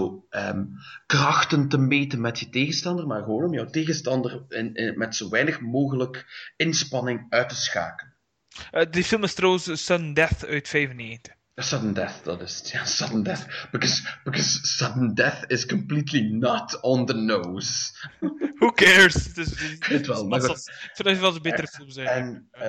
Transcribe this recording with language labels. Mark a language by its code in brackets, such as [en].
[nl] Om krachten te meten met je tegenstander, maar gewoon om jouw tegenstander met zo weinig mogelijk inspanning uit te schakelen. Die film is trouwens Sudden Death uit 1995. Sudden Death, dat is het. Ja, Sudden Death. [en] Because Sudden Death is completely not on the nose. Who cares? [nl] Ik weet wel. Ik vind dat wel een betere film zijn.